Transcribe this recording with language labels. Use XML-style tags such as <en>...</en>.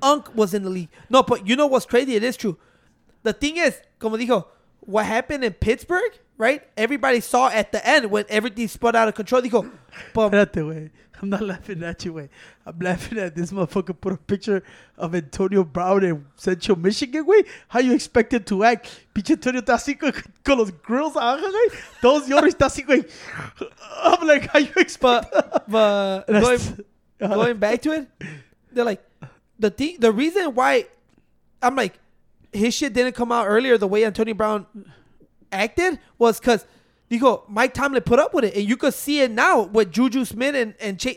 <en>Unk was in the league. No, but you know what's crazy? It is true. The thing is,</en> <es>como dijo,</es> <en>what happened in Pittsburgh, right? Everybody saw at the end when everything spun out of control.</en> <es>Dijo, espérate, güey.</es> <en>I'm not laughing at you, wait. I'm laughing at this motherfucker put a picture of Antonio Brown in Central Michigan, wait. How you expect him to act?</en> <es>Pinche Antonio está así con los grills, güey. Todos llores, está así, güey.</es> <en>I'm like, how you expect going back to it, they're like, the reason why, I'm like, his shit didn't come out earlier the way Antonio Brown acted was because, dijo, Mike Tomlin put up with it. And you could see it now with Juju Smith and Chase.</en>